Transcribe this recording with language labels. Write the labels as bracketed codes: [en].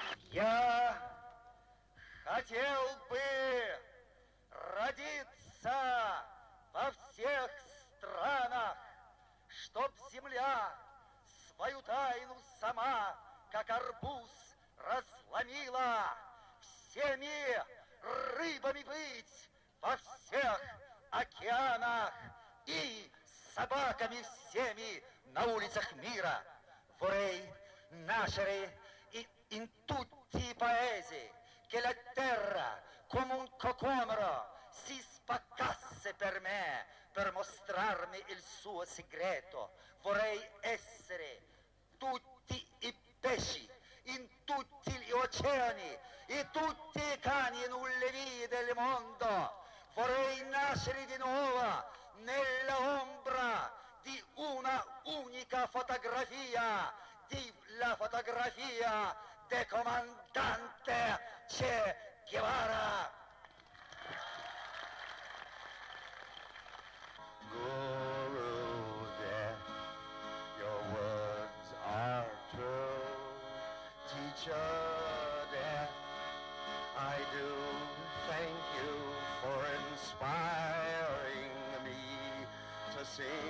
[ru] Я хотел бы родиться во всех странах, чтоб земля свою тайну сама, как арбуз, разломила. Всеми рыбами быть во всех океанах и собаками всеми на улицах мира. Вы, нашери и интут. [it] Ti paesi che la terra come un cocomero si spaccasse per me per mostrarmi il suo segreto. Vorrei essere tutti i pesci in tutti gli oceani e tutti i cani nelle vie del mondo. Vorrei nascere di nuovo nella ombra di una unica fotografia, di la fotografia de comandante Che Guevara. [en] Guru Dev, your words are true. Teacher Dev, I do thank you for inspiring me to sing.